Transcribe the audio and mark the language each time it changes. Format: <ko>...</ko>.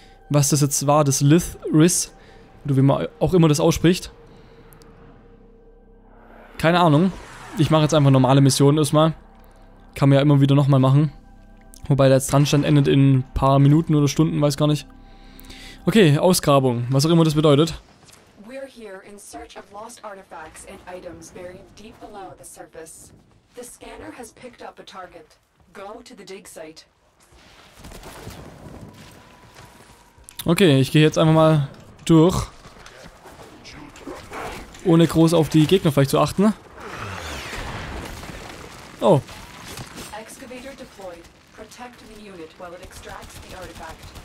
<de>was das jetzt war, das Lith-Riss, oder wie man auch immer das ausspricht. Keine Ahnung. Ich mache jetzt einfach normale Missionen erstmal. Kann man ja immer wieder nochmal machen. Wobei der Strandstand endet in ein paar Minuten oder Stunden, weiß gar nicht. Okay, Ausgrabung, was auch immer das bedeutet.</de> <en>We're here in search of lost artifacts and items buried deep below the surface. The scanner has picked up a target. Go to the dig site.</en> <de>Okay, ich gehe jetzt einfach mal durch. Ohne groß auf die Gegner vielleicht zu achten. Oh.</de> <en>Excavator deployed. Protect the unit while it extracts the artifact.</en>